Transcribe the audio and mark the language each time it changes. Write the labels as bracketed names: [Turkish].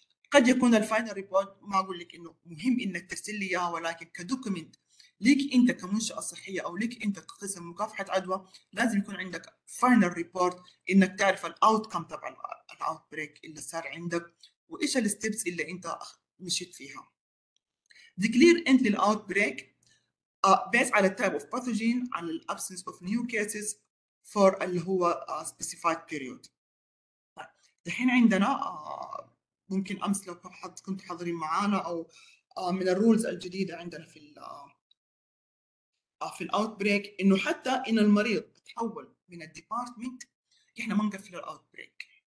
[Arabic] قد يكون final report ما أقول لك إنه مهم إنك ترسل لي إياها، ولكن كدوكمنت ليك انت كمنشأة صحية او ليك انت كقسم مكافحة عدوى، لازم يكون عندك final report انك تعرف الاوتكم تبع الاوتبريك اللي صار عندك وايش الستيبس اللي انت مشيت فيها. [English] declare end [Arabic] للاوتبريك [English] based [Arabic] على [English] type of pathogen على the absence of new cases for [Arabic] اللي هو [English] specified period. [Arabic] دحين عندنا ممكن امس لو كنت حاضرين معانا او من الرولز الجديدة عندنا في الاوت بريك انه حتى ان المريض تحول من الديبارتمنت احنا ما نقفل الاوت بريك.